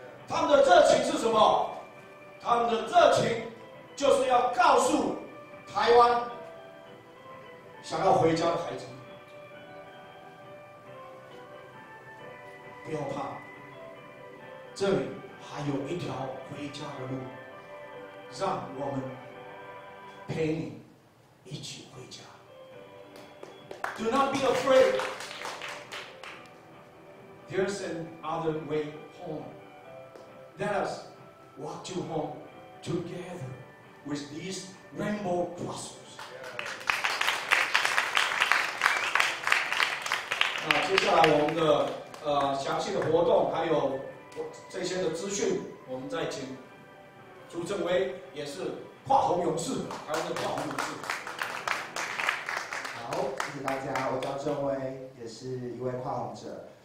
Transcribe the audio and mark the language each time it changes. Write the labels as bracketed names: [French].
[Chinese] 他们的热情是什么？他们的热情就是要告诉台湾想要回家的孩子，不要怕，这里还有一条回家的路，让我们陪你一起回家。 [English] Do not be afraid. There's an other way home. Let us walk to home together with these rainbow crossers. [Chinese] 接下来我们的详细的活动还有这些的资讯，我们再请朱正威，也是跨红勇士，台湾的跨红勇士。好，谢谢大家，我叫郑威，也是一位跨红者。